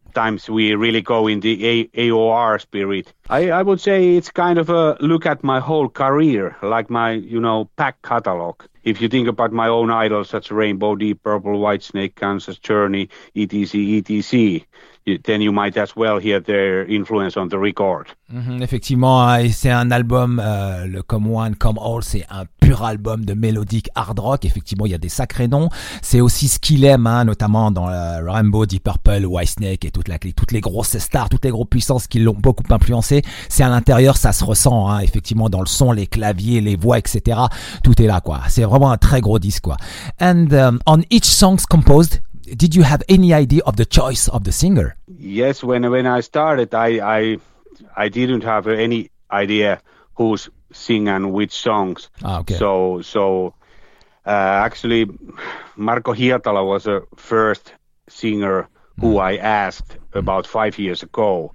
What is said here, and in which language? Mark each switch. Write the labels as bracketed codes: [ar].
[en] Times we really go in the AOR spirit. I would say it's kind of a look at my whole career, like my, you know, back catalog. If you think about my own idols, such as Rainbow, Deep Purple, Whitesnake, Kansas, Journey, etc., then you might as well hear their influence on the record. [fr] Effectivement, c'est un album, le Come One, Come All, c'est un pur album de mélodique hard rock. Effectivement, il y a des sacrés noms. C'est aussi ce qu'il aime, notamment dans Rainbow, Deep Purple, Whitesnake et toutes les grosses stars, toutes les grosses puissances qui l'ont beaucoup influencé. C'est à l'intérieur, ça se ressent, effectivement, dans le son, les claviers, les voix, etc. Tout est là, quoi. C'est vraiment un très gros disque, quoi. [en] And on each song's composed, did you have any idea of the choice of the singer? Yes, when I started, I didn't have any idea who's singing which songs. Ah, okay. So actually, Marko Hietala was the first singer who I asked about 5 years ago.